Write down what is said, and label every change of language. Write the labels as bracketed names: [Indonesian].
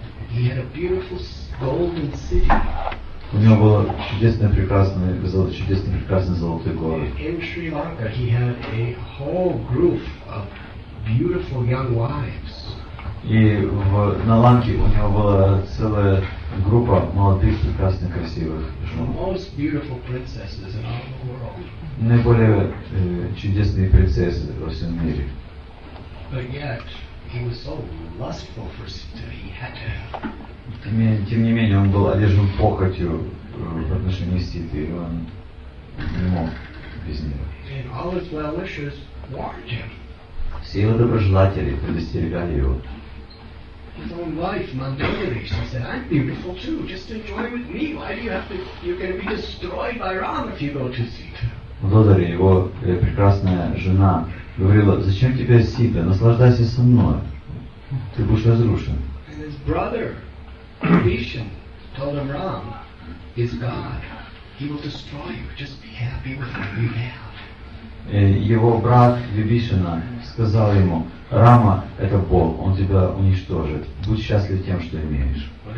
[English] He had a beautiful golden city. [Russian] У него был чудесный, прекрасный золотой город. [English] In Sri Lanka he had a whole group of beautiful young wives. [Russian] И на Ланке у него была целая группа молодых, прекрасных, красивых жен. [English] Most beautiful princesses in all the world. [Russian] Наиболее чудесные принцессы во всем мире. [English] But yet, he was so lustful for Sita, he had to have. [Russian] Тем не менее, он был одержим похотью в отношении Ситы, и он не мог без нее. [English] And all his well-wishers warned him. [Russian] Все его доброжелатели предостерегали его. [English] His own wife, Mandiri, she said, I'm beautiful too, just enjoy with me. Why do you have to, you're going to be destroyed by Rama if you go to Sita. [Russian] Мандодари, его прекрасная жена, говорила, зачем тебе Сита, наслаждайся со мной, ты будешь разрушен. [English] And his brother, Bhishan, told him, Rama is God, he will destroy you, just be happy with what you have. [Russian] Его брат Вибишина сказал ему, Рама — это Бог, он тебя уничтожит. Будь счастлив тем, что имеешь.